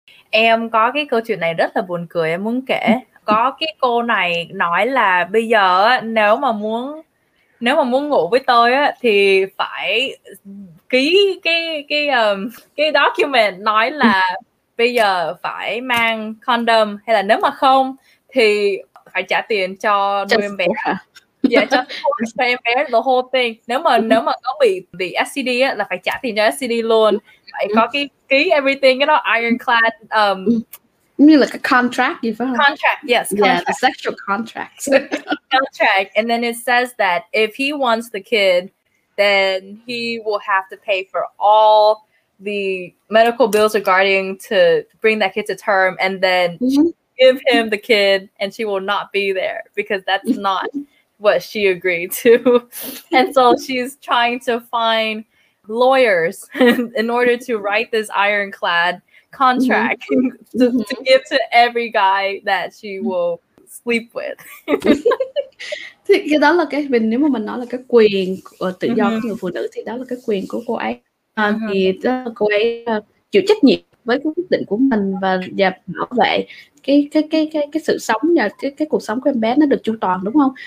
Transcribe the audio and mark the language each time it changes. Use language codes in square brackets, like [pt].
[vi] Em có cái câu chuyện này rất là buồn cười, em muốn kể. Có cái cô này nói là bây giờ nếu mà muốn ngủ với tôi á thì phải ký cái document nói là bây giờ phải mang condom, hay là nếu mà không thì phải trả tiền cho đôi em bé. Cho em bé [en] the whole thing. [vi] Nếu mà có bị STD á là phải trả tiền cho STD luôn. Phải có cái ký everything, cái đó ironclad, như là cái contract gì phải không? [en] Contract, yes, contract. Yeah, sexual contract. Contract, and then it says that if he wants the kid, then he will have to pay for all the medical bills regarding to bring that kid to term, and then give him the kid, and she will not be there because that's not what she agreed to. And so she's trying to find lawyers in order to write this ironclad contract to give to every guy that she will sleep with. [vi] Thì cái đó là cái, nếu mà mình nói là cái quyền tự do của người phụ nữ thì đó là cái quyền của cô ấy. Thì đó là cô ấy chịu trách nhiệm với cái quyết định của mình và bảo vệ cái sự sống và cái cuộc sống của em bé nó được chu toàn, đúng không?